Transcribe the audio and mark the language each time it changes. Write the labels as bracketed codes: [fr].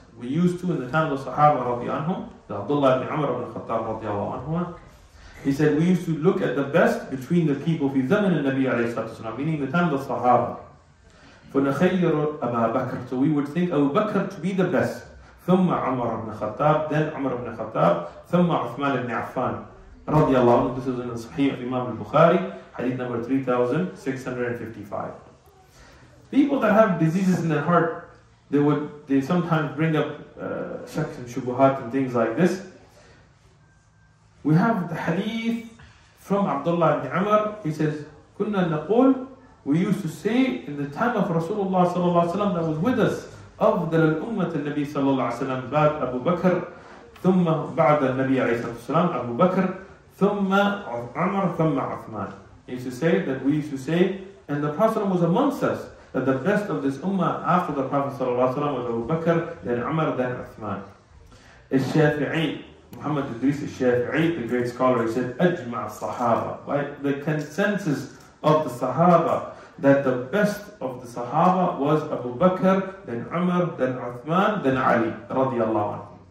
[en] We used to in the time of the Sahaba radiallahu anhum, the Abdullah ibn Umar ibn Khattab radiallahu anhuma, he said, we used to look at the best between the people fi zaman al-Nabi alayhi salatu wasalam, meaning the time of the Sahaba. [ar] فَنَخَيِّرُ أَبَا بَكْرٍ. [en] So we would think Abu Bakr to be the best. [ar] ثم عمر بن خطاب then عمر بن خطاب ثم عثمان بن عفان رضي الله عنه. [en] This is in Sahih Imam al-Bukhari, hadith number 3655. People that have diseases in their heart, they sometimes bring up shaks and shubuhat and things like this. We have the hadith from Abdullah ibn Umar. He says, [ar] كنا نقول, [en] we used to say in the time of [ar] Rasulullah صلى الله عليه وسلم [en] that was with us, [ar] أفضل الأمة النبي صلى الله عليه وسلم بعد أبو بكر ثم بعد النبي عليه الصلاة والسلام أبو بكر ثم عمر ثم عثمان. [en] He used to say that, we used to say, and the Prophet was amongst us, that the best of this ummah after the Prophet صلى الله عليه وسلم was Abu Bakr, then Umar, then Uthman. الشافعي, Muhammad Idris الشافعي, the great scholar, he said, [ar] أجمع الصحابة, [en] right? The consensus of the Sahaba, that the best of the Sahaba was Abu Bakr, then Umar, then Uthman, then Ali, radiallahu anhu.